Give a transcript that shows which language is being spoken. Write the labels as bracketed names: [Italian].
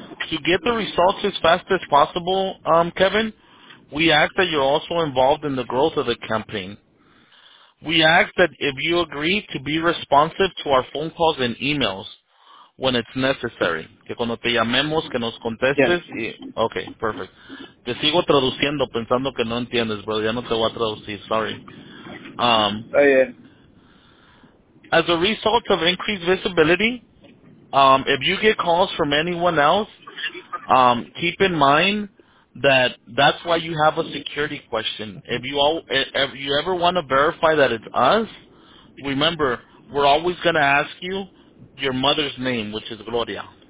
[English] To get the results as fast as possible, Kevin, we ask that you're also involved in the growth of the campaign. We ask that if you agree to be responsive to our phone calls and emails when it's necessary. [Spanish] Que cuando te llamemos, que nos contestes. [English] Yes. Y, okay, perfect. [Spanish] Te sigo traduciendo pensando que no entiendes, pero ya no te voy a traducir. [English] Sorry. As a result of increased visibility, if you get calls from anyone else, keep in mind that's why you have a security question. If you ever want to verify that it's us, remember, we're always going to ask you your mother's name, which is Gloria.